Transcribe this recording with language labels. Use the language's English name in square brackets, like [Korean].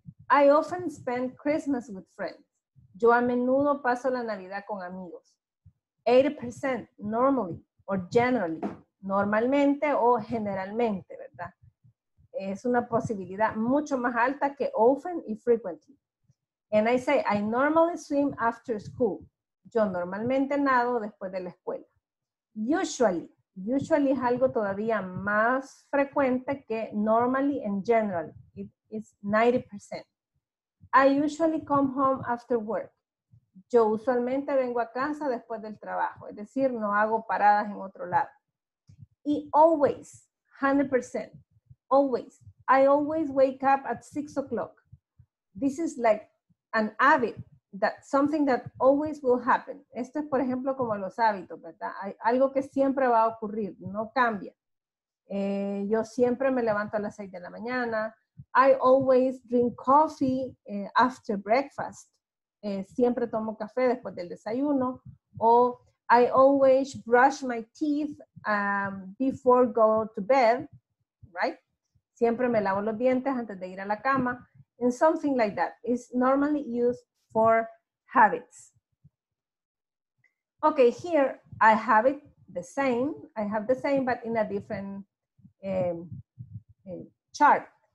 [English] I often spend Christmas with friends. [Spanish] Yo a menudo paso la Navidad con amigos. 80%, [English] normally or generally. [Spanish] Normalmente o generalmente, ¿verdad? Es una posibilidad mucho más alta que often y frequently. [English] And I say, I normally swim after school. [Spanish] Yo normalmente nado después de la escuela. Usually. Usually es algo todavía más frecuente que normally and generally. [English] It is 90%. I usually come home after work. [Spanish] Yo usualmente vengo a casa después del trabajo. Es decir, no hago paradas en otro lado. Y always, 100%. Always. [English] I always wake up at 6 o'clock. This is like an habit, that something that always will happen. [Spanish] Esto es, por ejemplo, como los hábitos, ¿verdad? Hay algo que siempre va a ocurrir, no cambia. Yo siempre me levanto a las 6 de la mañana. [English] I always drink coffee after breakfast. [Spanish] Siempre tomo café después del desayuno. O [English] I always brush my teeth before go to bed, [Spanish] right? Siempre me lavo los dientes antes de ir a la cama. [English] And something like that is normally used for habits. Okay, here I have it the same. I have the same, but in a different chart.